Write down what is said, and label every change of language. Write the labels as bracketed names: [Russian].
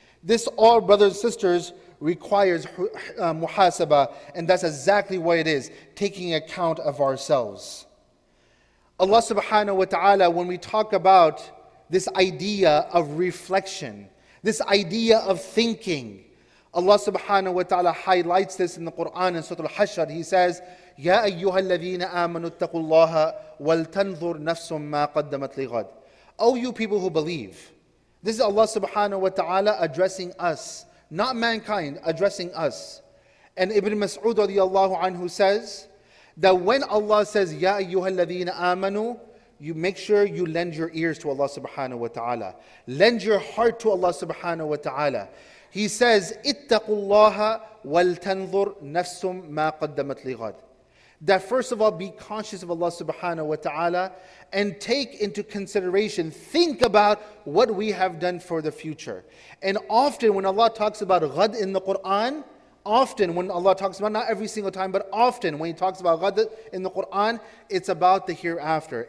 [English] This all, brothers and sisters, requires muhasaba, and that's exactly what it is, taking account of ourselves. Allah subhanahu wa ta'ala, when we talk about this idea of reflection, this idea of thinking, Allah subhanahu wa ta'ala highlights this in the Quran in Surah Al-Hashr. He says, [Arabic] يَا أَيُّهَا الَّذِينَ آمَنُوا اتَّقُوا اللَّهَ وَلْتَنْظُرْ نَفْسٌ مَا قَدَّمَتْ لِغَدٍ. [English] O you people who believe. This is Allah subhanahu wa ta'ala addressing us. Not mankind, addressing us. And Ibn Mas'ud radiallahu anhu says, that when Allah says, [Arabic] يَا أَيُّهَا الَّذِينَ آمَنُوا, [English] you make sure you lend your ears to Allah subhanahu wa ta'ala. Lend your heart to Allah subhanahu wa ta'ala. He says, [Arabic] اتَّقُوا اللَّهَ وَلْتَنْظُرْ نَفْسٌ مَا قَدَّمَتْ لِغَدٍ. [English] That first of all, be conscious of Allah subhanahu wa ta'ala and take into consideration, think about what we have done for the future. And often when Allah talks about غَد in the Qur'an, often when Allah talks about, not every single time, but often when He talks about غَد in the Qur'an, it's about the hereafter.